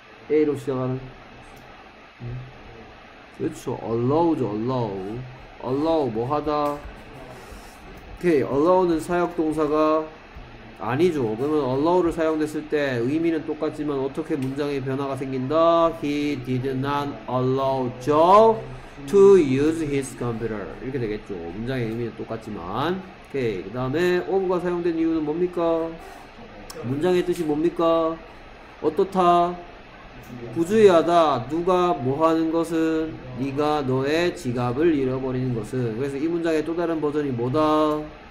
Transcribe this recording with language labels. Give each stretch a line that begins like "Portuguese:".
Korean: A로 시작하는 그렇죠, allow죠, allow. allow 뭐 하다? 오케이, allow는 사역동사가 아니죠. 그러면 allow를 사용됐을 때 의미는 똑같지만 어떻게 문장의 변화가 생긴다?
English: He did not allow Joe to use his computer.
Korean: 이렇게 되겠죠. 문장의 의미는 똑같지만. 오케이, 그 다음에 of가 사용된 이유는 뭡니까? 문장의 뜻이 뭡니까? 어떻다? 부주의하다. 누가 뭐 하는 것은? 네가 너의 지갑을 잃어버리는 것은. 그래서 이 문장의 또 다른 버전이 뭐다?